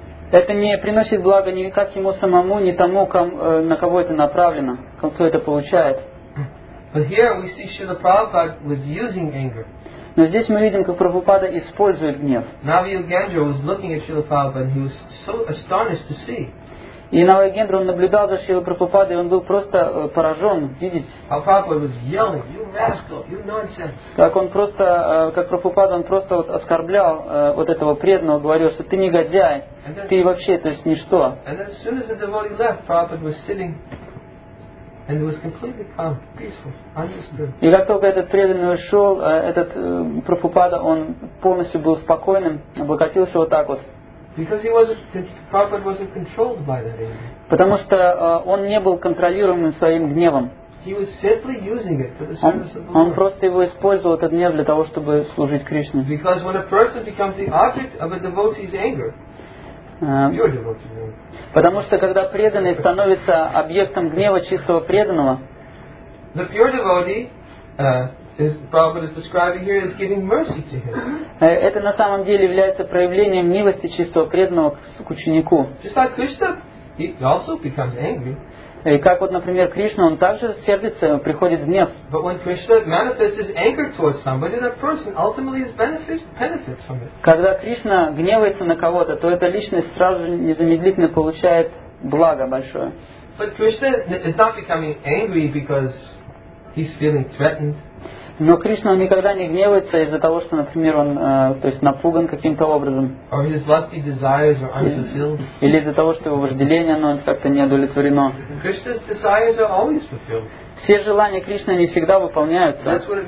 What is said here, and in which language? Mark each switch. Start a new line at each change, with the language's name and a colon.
Russian: Это не приносит блага ни как ему самому, ни тому, на кого это направлено, кто это получает.
English: But here we see Srila Prabhupada was using anger.
Russian: Но здесь мы видим, как Прабхупада использует гнев.
English: Navayogendra was looking at Srila Prabhupada and he was so astonished to see.
Russian: И Навайогендра он наблюдал за Шрилой Прабхупадой, и он был просто поражен видеть.
English: How Prabhupada was yelling, you rascal, you nonsense.
Russian: Как он просто, как Прабхупада, он просто вот оскорблял вот этого преданного, говорил, что ты негодяй, ты вообще, то есть ничто.
English: And then, as soon as the devotee left, Prabhupada was sitting and it was completely calm, peaceful, understood.
Russian: И как только этот преданный ушел, этот Прабхупада, он полностью был спокойным, облокотился вот так вот.
English: Because he wasn't, Prabhupada wasn't controlled by that anger.
Russian: Потому что он не был контролируемым своим гневом.
English: He was simply using it for the service of the Lord.
Russian: Он просто его использовал этот гнев для того, чтобы служить Кришне.
English: Because when a person becomes the object of a devotee's anger, you're a devotee's anger.
Russian: Потому что когда преданный становится объектом гнева чистого преданного,
English: the pure devotee, as Prabhupada is describing here, is giving mercy to him.
Russian: Это на самом деле является проявлением милости чистого преданного к ученику.
English: Just like Krishna, he also becomes angry.
Russian: И как вот, например, Кришна, он также сердится, приходит в гнев.
English: But when Krishna manifests his anger towards somebody, that person ultimately benefits from it.
Russian: Когда Кришна гневается на кого-то, то эта личность сразу незамедлительно получает благо большое.
English: But Krishna is not becoming angry because he's feeling threatened.
Russian: Но Кришна никогда не гневается из-за того, что, например, он то есть напуган каким-то образом. Или из-за того, что его вожделение, оно как-то не удовлетворено. Все желания Кришны не всегда выполняются.